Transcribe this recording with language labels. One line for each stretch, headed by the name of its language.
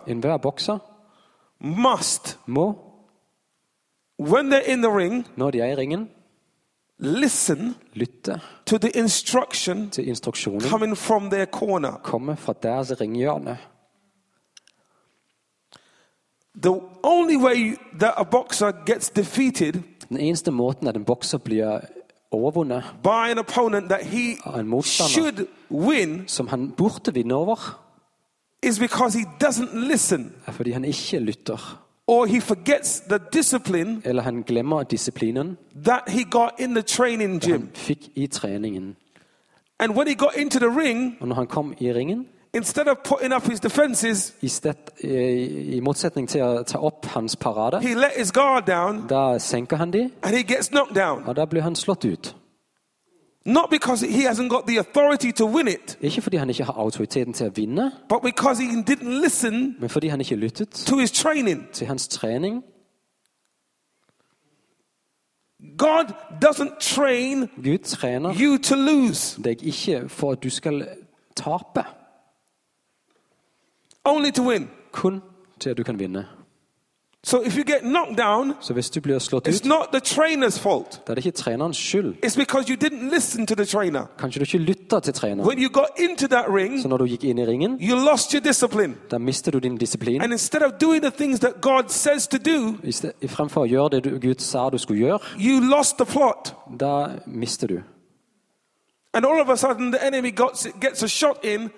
Norwegian: in hver bokser,
English: must,
Norwegian: må,
English: when they're in the ring,
Norwegian: når de er i ringen,
English: listen,
Norwegian: lytte,
English: to the instruction,
Norwegian: til instruksjonen,
English: coming from their corner,
Norwegian: kommer fra deres ringhjørne.
English: The only way that a boxer gets defeated,
Norwegian: den eneste måten at en bokser blir overvunnet,
English: by an opponent that he should win,
Norwegian: som han burde vinne over,
English: is because he doesn't listen,
Norwegian: er fordi han ikke lytter.
English: Or he forgets the discipline,
Norwegian: eller han glemmer disciplinen,
English: that he got in the training gym,
Norwegian: han fikk i treningen.
English: And when he got into the ring,
Norwegian: og når han kom i ringen,
English: instead of putting up his defenses,
Norwegian: i motsetning til å ta opp hans parade,
English: he let his guard down,
Norwegian: da senker han de,
English: and he gets knocked down,
Norwegian: og da blir han slått ut.
English: Not because he hasn't got the authority to win it.
Norwegian: Ikke fordi han ikke har autoriteten til å vinne.
English: But because he didn't listen.
Norwegian: Men fordi han ikke lyttet.
English: To his training.
Norwegian: Til hans trening.
English: God doesn't train.
Norwegian: Gud trener.
English: You to lose.
Norwegian: Deg ikke for at du skal tape.
English: Only to win.
Norwegian: Kun til at du kan vinne.
English: So if you get knocked down,
Norwegian: så hvis du blir slått ut,
English: it's not the trainer's fault.
Norwegian: Det er ikke trenerens skyld.
English: It's because you didn't listen to the trainer.
Norwegian: Kanskje du ikke lyttet til treneren.
English: When you got into that ring,
Norwegian: så når du gikk inn i ringen,
English: you lost your discipline.
Norwegian: Da mistet du din disiplin.
English: And instead of doing the things that God says to do,
Norwegian: i fremfor å gjøre det Gud sa du skulle gjøre,
English: you lost the plot.
Norwegian: Da mistet du.
English: And all of a sudden the enemy gets a shot in,